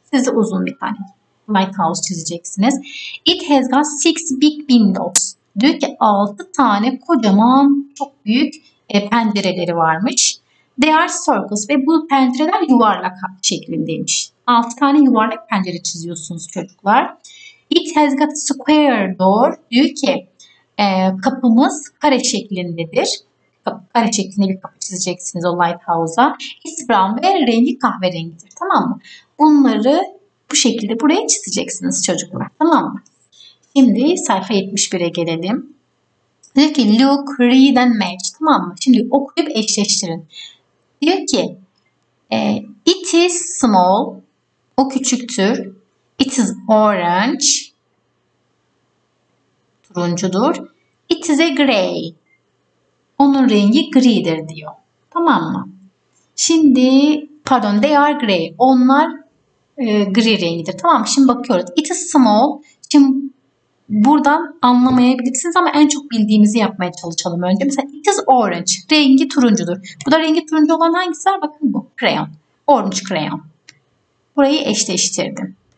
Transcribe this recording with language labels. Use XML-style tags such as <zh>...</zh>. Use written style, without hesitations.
<tr>Siz de uzun bir tane lighthouse çizeceksiniz.</tr> <en>It has got six big windows.</en> <tr>Diyor ki 6 tane kocaman çok büyük pencereleri varmış.</tr> <en>They are circles</en> <tr>ve bu pencereler yuvarlak şeklindeymiş. 6 tane yuvarlak pencere çiziyorsunuz çocuklar.</tr> <en>It has got square door.</en> <tr>Diyor ki kapımız kare şeklindedir. Kare şeklinde bir kapı çizeceksiniz o lighthouse'a.</tr> <en>It's brown</en> <tr>ve rengi kahverengidir. Tamam mı? Bunları bu şekilde buraya çizeceksiniz çocuklar. Tamam mı? Şimdi sayfa 71'e gelelim. Diyor ki</tr> <en>look, read and match.</en> <tr>Tamam mı? Şimdi okuyup eşleştirin. Diyor ki</tr> <en>it is small.</en> <tr>O küçüktür.</tr> <en>It is orange.</en> <tr>Turuncudur.</tr> <en>It is a gray.</en> <tr>Onun rengi gri'dir diyor. Tamam mı? Şimdi pardon,</tr> <en>they are gray.</en> <tr>Onlar gri rengidir. Tamam mı? Şimdi bakıyoruz.</tr> <en>It is small.</en> <tr>Şimdi buradan anlamayabilirsiniz ama en çok bildiğimizi yapmaya çalışalım önce. Mesela</tr> <en>it is orange.</en> <tr>Rengi turuncudur. Bu da rengi turuncu olan hangisi var? Bakın bu. Crayon.</tr> <en>Orange crayon.</en> <tr>Burayı eşleştirdim.</tr>